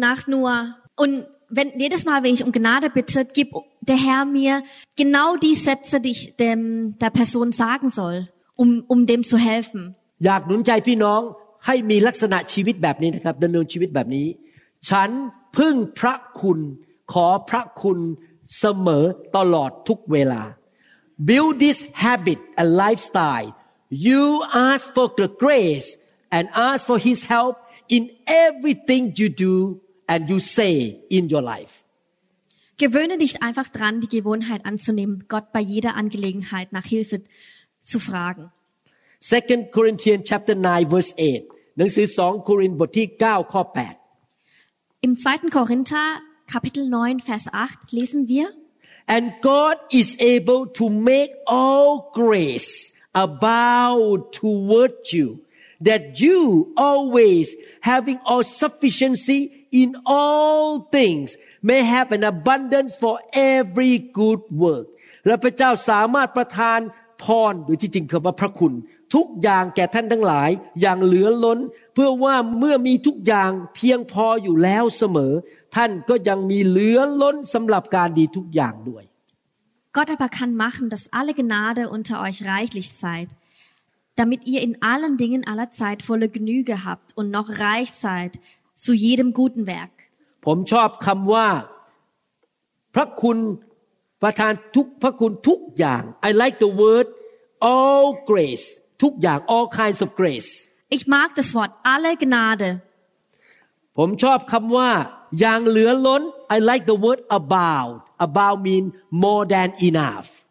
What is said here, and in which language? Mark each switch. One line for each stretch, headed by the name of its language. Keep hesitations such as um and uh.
German: wenn jedes Mal, wenn ich um Gnade bitte, gib der Herr mir genau die Sätze, die ich dem, der Person sagen soll, um, um dem zu helfen.
Thai: อยากหนุนใจพี่น้องให้มีลักษณะชีวิตแบบนี้นะครับดำเนินชีวิตแบบนี้ ฉันพึ่งพระคุณขอพระคุณเสมอตลอดทุกเวลา
English: build this habit a n d lifestyle you ask for the grace and ask for his help in everything you do and you say in your life.
German: Gewöhne dich einfach dran, die Gewohnheit anzunehmen, Gott bei jeder Angelegenheit nach Hilfe zu fragen. 2. Korinther,
English: chapter 9, verse 8.
German: Im zweiten Korinther Kapitel 9 Vers 8 lesen wir
English: And God is able to make all grace abound toward you that you always having all sufficiency in all things may have an abundance for every good work
Thai: และพระเจ้าสามารถประทาน พรหรือที่จริงคือว่าพระคุณ ทุกอย่างแก่ท่านทั้งหลายอย่างเหลือล้นเพื่อว่าเมื่อมีทุกอย่างเพียงพออยู่แล้วเสมอ ท่านก็ยังมีเหลือล้นสำหรับการดีทุกอย่างด้วย
German: Gott aber kann machen, dass alle Gnade unter euch reichlich seid, damit ihr in allen Dingen aller Zeit volle Genüge habt und noch reich seid, zu jedem guten Werk.
Thai: ผมชอบคำว่า พระคุณประทานทุกพระคุณทุกอย่าง
English: I like the word all grace
Thai: ทุกอย่าง
English: all kinds of grace
German: h mag das Wort alle Gnade
Thai: ผมชอบคำว่าอย่างเหลือล้น
English: I like the word about about mean more than enough